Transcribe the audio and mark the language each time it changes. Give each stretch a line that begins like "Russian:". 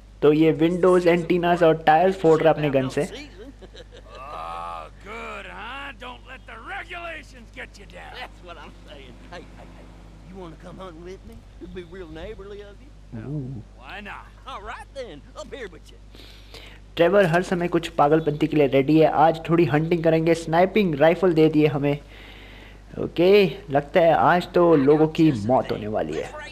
Hindi: तो ये windows, antennas और tires फोड़ रहा अपने गन से।
English: Oh, good, huh? Don't let the regulations get you down. That's what I'm saying. Hey, hey, hey. You want to come hunting with me? It'd be real neighborly of you.
Hindi: Trevor हर समय कुछ पागलपंती के लिए ready है। आज थोड़ी hunting करेंगे, sniping rifle दे दिए हमें। ओके, लगता है आज तो लोगों की मौत होने वाली है।